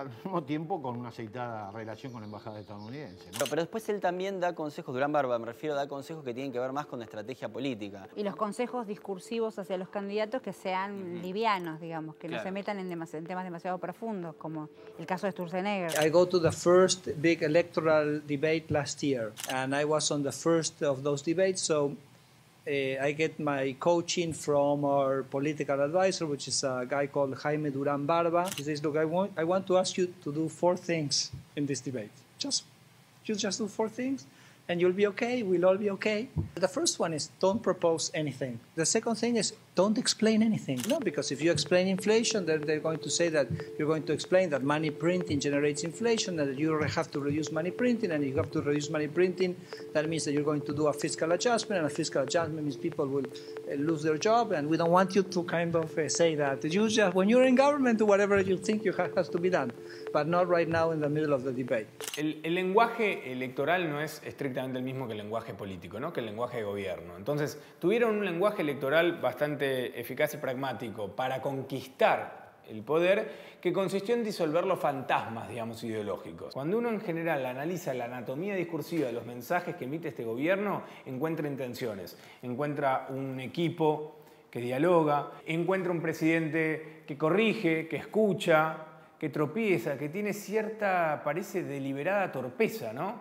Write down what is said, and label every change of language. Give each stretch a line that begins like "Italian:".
Spanish: Al mismo tiempo, con una aceitada relación con la embajada estadounidense, ¿no? Pero después él también da consejos, Durán Barba, me refiero, da consejos que tienen que ver más con estrategia política. Y los consejos discursivos hacia los candidatos que sean livianos, digamos, que no se metan en temas demasiado profundos, como el caso de Sturzenegger.
English: I go to the first big electoral debate last year, and I was on the first of those debates, so I get my coaching from our political advisor, which is a guy called Jaime Durán Barba. He says, look, I want to ask you to do four things in this debate. You just do four things and you'll be okay. We'll all be okay. The first one is don't propose anything. The second thing is don't explain anything. No, because if you explain inflation, then they're going to say that you're going to explain that money printing generates inflation and that you have to reduce money printing, and if you have to reduce money printing, that means that you're going to do a fiscal adjustment, and a fiscal adjustment means people will lose their job, and we don't want you to kind of say that. You just, when you're in government, do whatever you think you has to be done, but not right now in the middle of the debate.
Spanish: El lenguaje electoral no es estrictamente el mismo que el lenguaje político, ¿no? Que el lenguaje de gobierno. Entonces, tuvieron un lenguaje electoral bastante eficaz y pragmático para conquistar el poder, que consistió en disolver los fantasmas, digamos, ideológicos. Cuando uno en general analiza la anatomía discursiva de los mensajes que emite este gobierno, encuentra intenciones, encuentra un equipo que dialoga, encuentra un presidente que corrige, que escucha, que tropieza, que tiene cierta, parece, deliberada torpeza, ¿no?